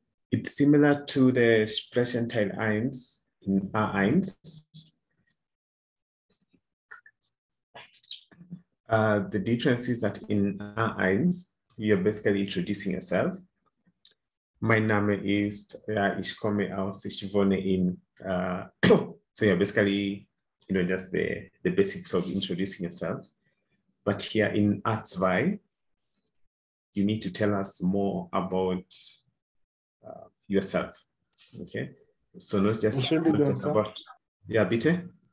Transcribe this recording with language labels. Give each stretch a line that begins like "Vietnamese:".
English: It's similar to the expression Teil 1 in A1. The difference is that in A1, you're basically introducing yourself.
German: Mein Name ist, ich komme aus, ich wohne in.
English: So you're basically, you know, just the basics of introducing yourself. But here in A2, you need to tell us more about yourself, okay? So not just about, yeah, bitte?